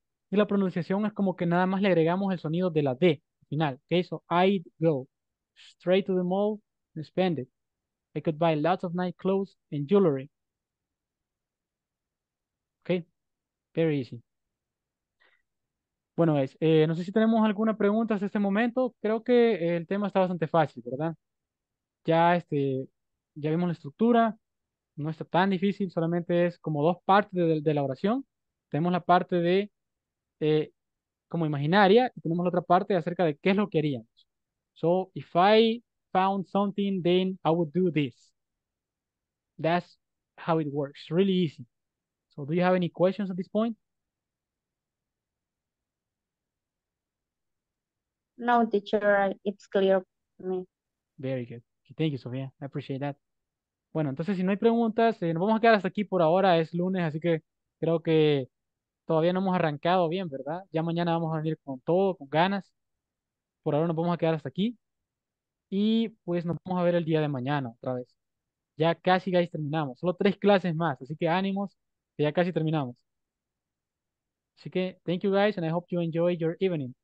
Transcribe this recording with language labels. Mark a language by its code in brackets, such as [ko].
[es] Y la pronunciación es como que nada más le agregamos el sonido de la D al final. [en] Okay, so I'd go straight to the mall and spend it. I could buy lots of night clothes and jewelry. Okay, very easy. [es] Bueno, guys, no sé si tenemos alguna pregunta hasta este momento. Creo que el tema está bastante fácil, ¿verdad? Ya, ya vimos la estructura. No está tan difícil, solamente es como dos partes de la oración. Tenemos la parte de como imaginaria y tenemos la otra parte acerca de qué es lo que haríamos. [en] So, if I found something, then I would do this. That's how it works. Really easy. So, do you have any questions at this point? No, teacher, it's clear to me. Very good. Thank you, Sofía. I appreciate that. [es] Bueno, entonces, si no hay preguntas, nos vamos a quedar hasta aquí por ahora. Es lunes, así que creo que todavía no hemos arrancado bien, ¿verdad? Ya mañana vamos a venir con todo, con ganas. Por ahora nos vamos a quedar hasta aquí. Y, pues, nos vamos a ver el día de mañana otra vez. Ya casi, guys, terminamos. Solo 3 clases más, así que ánimos, que ya casi terminamos. Así que, [en] thank you, guys, and I hope you enjoy your evening.